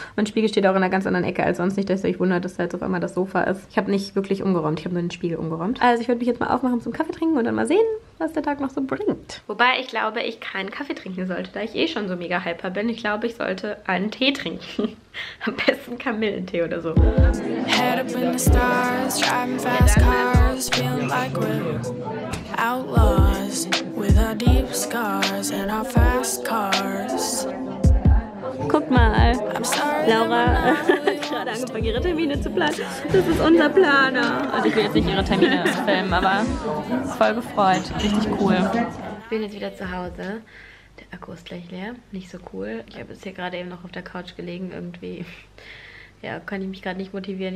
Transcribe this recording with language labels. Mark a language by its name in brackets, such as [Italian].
[German] Mein Spiegel steht auch in einer ganz anderen Ecke als sonst. Nicht, dass ihr euch wundert, dass da jetzt auf einmal das Sofa ist. Ich habe nicht wirklich umgeräumt, ich habe nur den Spiegel umgeräumt. Also ich würde mich jetzt mal aufmachen zum Kaffee trinken und dann mal sehen, was der Tag noch so bringt. Wobei ich glaube, ich keinen Kaffee trinken sollte, da ich eh schon so mega hyper bin. Ich glaube, ich sollte einen Tee trinken. Am besten Kamillentee oder so. [English] Head up in the stars, driving fast cars, feeling like we're outlaws, with our deep scars and our fast cars. [German] Guck mal, Laura hat gerade angefangen, ihre Termine zu planen. Das ist unser Planer. Also ich will jetzt nicht ihre Termine filmen, aber voll gefreut, richtig cool. Ich bin jetzt wieder zu Hause. Der Akku ist gleich leer. Nicht so cool. Ich habe jetzt hier gerade eben noch auf der Couch gelegen. Irgendwie, ja, kann ich mich gerade nicht motivieren.